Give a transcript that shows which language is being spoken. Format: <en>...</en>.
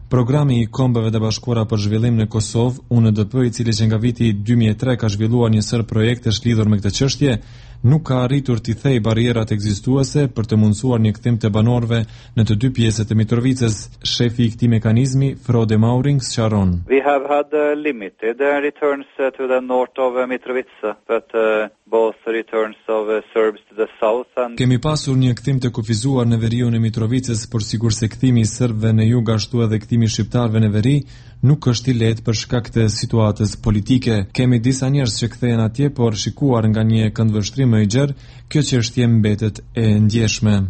<sq>Programi i Kombeve të Bashkuara për zhvillim në Kosovë, UNDP, i cili që nga viti 2003 ka zhvilluar një sër projektesh lidhur me këtë çështje, nuk ka arritur të thej barierat ekzistuese për të mundësuar një kthim të banorve në të dy pjesët e Mitrovicës. Shefi i këtij mekanizmi, Frode Maurin, sqaron:</sq> <en>"We have had limited returns to the north of Mitrovica, but both returns of Serbs to the south and..."</en> <sq>Kemi pasur një kthim të kufizuar në veriun e Mitrovicës, por sigurisht kthimi i serbëve në jug ashtu edhe kthimi i shqiptarëve në veri nuk është i lehtë për shkak të situatës politike. Kemi disa njerëz që kthehen atje, por shikuar nga një këndvështrim më i gjerë, kjo çështje mbetet e ndjeshme.</sq>